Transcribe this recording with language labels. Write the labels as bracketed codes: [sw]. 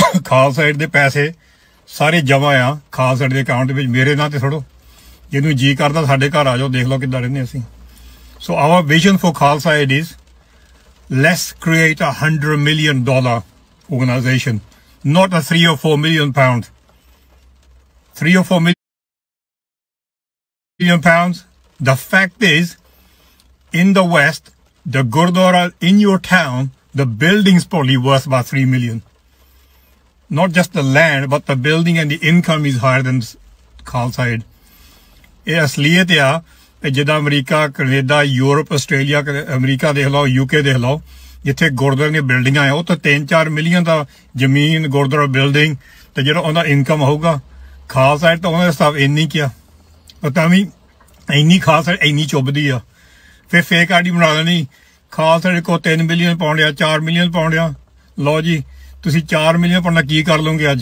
[pa] Khalsa aid ਦੇ ਪੈਸੇ ਸਾਰੇ ਜਮ੍ਹਾਂ ਆ ਖਾਲਸਾ ਏਡ ਦੇ ਅਕਾਊਂਟ ਵਿੱਚ, ਮੇਰੇ ਨਾਂ 'ਤੇ ਥੋੜ੍ਹੋ, ਜਿਹਨੂੰ ਜੀ ਕਰਦਾ ਸਾਡੇ ਘਰ ਆ ਜਾਓ, ਦੇਖ ਲਓ ਕਿੱਦਾਂ ਰਹਿੰਦੇ ਅਸੀਂ। [en] So our vision for Khalsa Aid is less create a $100 million organisation, not a 3 or 4 million pounds. £3 or 4 million, the fact is, in the West, the Gurdwara in your town, the building's probably worth about $3 million. Not just the land, but the building and the income is higher than Khalsa Aid. [pa] ਇਹ ਅਸਲੀਅਤ ਆ ਕਿ ਜਿੱਦਾਂ America, Canada, Europe, Australia, America ਦੇਖ ਲਓ, UK ਦੇਖ ਲਓ, ਜਿੱਥੇ ਗੁਰਦੁਆਰਿਆਂ ਦੀਆਂ ਬਿਲਡਿੰਗਾਂ ਆ, ਉਹ ਤਾਂ 3-4 ਮਿਲੀਅਨ ਦਾ ਜ਼ਮੀਨ, ਗੁਰਦੁਆਰਾ, ਬਿਲਡਿੰਗ, ਅਤੇ ਜਿਹੜਾ ਉਹਦਾ ਇਨਕਮ ਹੋਊਗਾ ਖਾਲਸਾ ਏਡ ਤਾਂ ਉਹਨਾਂ ਦਾ ਹਿਸਾਬ ਇੰਨੀ ਕੀ ਆ, ਉਹ ਤਾਂ ਵੀ ਇੰਨੀ ਖਾਲਸਾ ਏਡ ਇੰਨੀ ਚੁੱਭਦੀ ਆ, ਫਿਰ ਫੇਕ ਆਈ ਡੀ ਬਣਾ ਲੈਣੀ, ਖਾਲਸਾ ਏਡ ਕੋਲ 3 ਮਿਲੀਅਨ ਪਾਉਂਡ ਆ, 4 ਮਿਲੀਅਨ ਪਾਉਂਡ ਆ, ਲਓ ਜੀ ਤੁਸੀਂ 4 ਮਿਲੀਅਨ ਪਾਉਂਡ ਕੀ ਕਰ ਲਉਂਗੇ?